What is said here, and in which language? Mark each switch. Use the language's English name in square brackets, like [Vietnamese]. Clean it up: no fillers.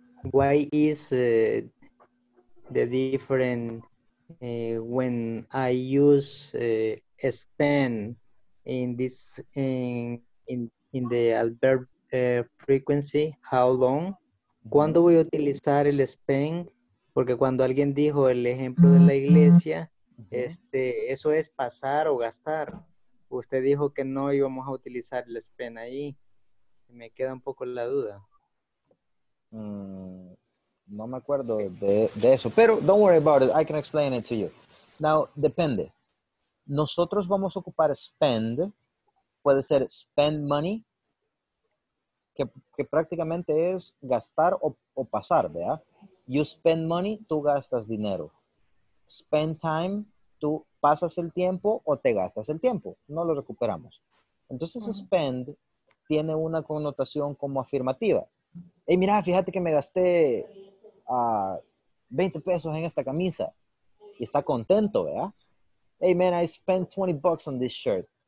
[English] Why is the different when I use spend in this in the adverb frequency, how long? [Spanish] ¿Cuándo voy a utilizar el spend? Porque cuando alguien dijo el ejemplo de la iglesia, eso es pasar o gastar. Usted dijo que no íbamos a utilizar el spend ahí. Me queda un poco la duda. No me acuerdo de eso. Pero [English] don't worry about it. I can explain it to you. Now, [Spanish] depende. Nosotros vamos a ocupar spend. Puede ser spend money. Que prácticamente es gastar o pasar, ¿verdad? [English] You spend money, [Spanish] tú gastas dinero. [English] Spend time, [Spanish] tú pasas el tiempo o te gastas el tiempo. No lo recuperamos. Entonces, spend tiene una connotación como afirmativa. Hey, mira, fíjate que me gasté 20 pesos en esta camisa. Y está contento, ¿verdad? [English] Hey, man, I spent 20 bucks on this shirt.